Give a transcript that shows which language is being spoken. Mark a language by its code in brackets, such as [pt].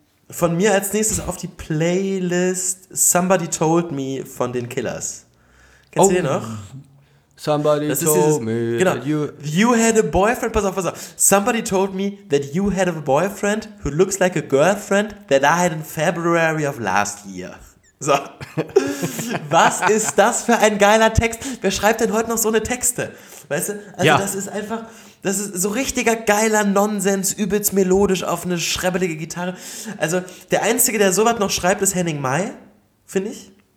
[de] Von mir als nächstes auf die Playlist Somebody Told Me von den Killers. Kennst du den noch? [en] Somebody [de] das [en] told [de] dieses, [en] me genau, that you had a boyfriend. [de] Pass auf. [en] Somebody told me that you had a boyfriend who looks like a girlfriend that I had in February of last year. [de] So. Was ist das für ein geiler Text? Wer schreibt denn heute noch so eine Texte? Weißt du? Also ja. Das ist einfach, das ist so richtiger geiler Nonsens, übelst melodisch auf eine schrebelige Gitarre. Also der Einzige, der sowas noch schreibt, ist Henning Mai, finde ich.